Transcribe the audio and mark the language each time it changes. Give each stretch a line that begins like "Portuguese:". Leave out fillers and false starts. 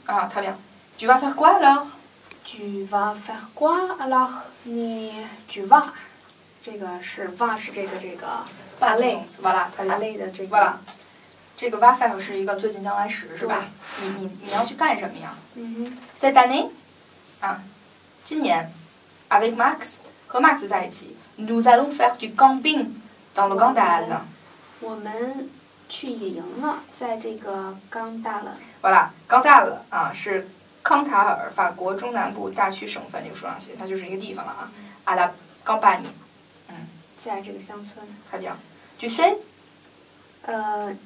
Chinese: 啊，特别。
French: Tu vas faire quoi alors？ Tu vas faire quoi alors？
Chinese: 你
French: tu vas
Chinese: 这个是 va 是这个 va 类动词 ，va 它 va 类的这个 va， 这个 va faire 是一个最近将来时是吧？你要去干什么呀？嗯哼。
French: Cette année，
Chinese: 啊，今年 ，
French: avec Max
Chinese: 和 Max 在一起。
French: Nous allons faire du camping dans le Grand Dalle.
Chinese: 我们去野营了，在这个冈大勒。 Voilà, Grand Dalle 啊，是康塔尔，法国中南部大区省份这个书上写，它就是一个地方了啊。
French: À la campagne. 嗯，
Chinese: 在这个乡村。太棒。
French: Tu sais?